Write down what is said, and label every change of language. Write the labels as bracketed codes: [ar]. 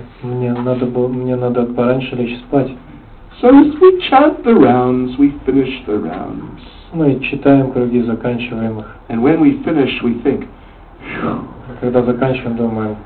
[ru] Мне надо пораньше лечь спать. [en] So as we chant the rounds, we finish the rounds. [ru] Мы читаем круги, заканчиваем их. [en] And when we finish, we think. [ru] Когда заканчиваем, думаем.